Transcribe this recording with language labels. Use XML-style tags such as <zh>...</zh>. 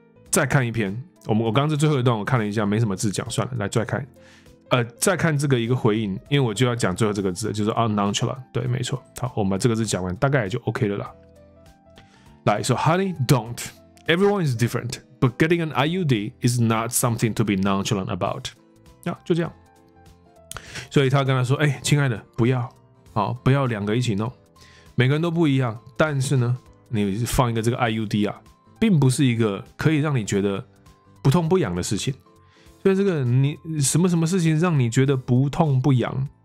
<zh>再看一篇，我刚刚最后一段我看了一下，没什么字讲，算了，来再看，再看这个一个回应，因为我就要讲最后这个字，就是 nonchalant， 对，没错，好，我们把这个字讲完，大概也就 OK 了啦。</zh> <en>来，说、so, Honey, don't. Everyone is different, but getting an IUD is not something to be nonchalant about.</en> <zh>呀、yeah, ，就这样。所以他跟他说，哎，亲爱的，不要，好，不要两个一起弄，每个人都不一样，但是呢，你放一个这个 IUD 啊。并不是一个可以让你觉得不痛不痒的事情，所以这个你什么什么事情让你觉得不痛不痒？</zh>